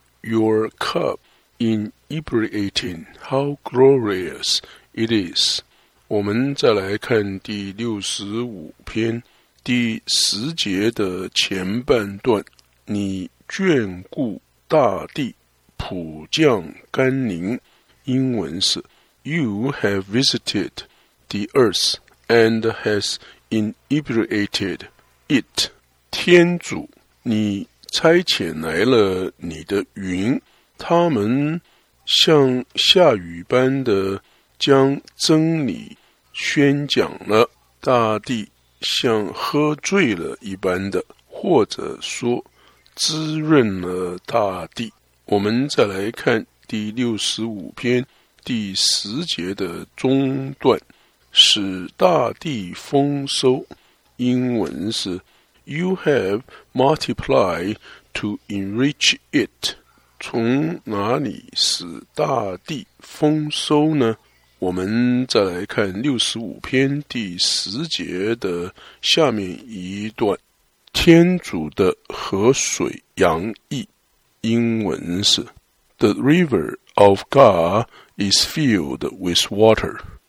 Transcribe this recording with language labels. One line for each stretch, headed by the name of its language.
English: Your cup inebriating, how glorious it is。
Chinese: 我们再来看第65篇第10节的前半段，你眷顾大地，普降甘霖。英文是
English: You have visited the earth and has inebriated it。
Chinese: 天主你差遣来了你的云，他们像下雨般的将真理宣讲了。大地像喝醉了一般的，或者说滋润了大地。我们再来看第65篇第10节的中段，使大地丰收。英文是
English: You have multiplied to enrich it。
Chinese: 从哪里使大地丰收呢？我们再来看65篇第10节的下面一段，天主的河水洋溢。英文是
English: The river of God is filled with water。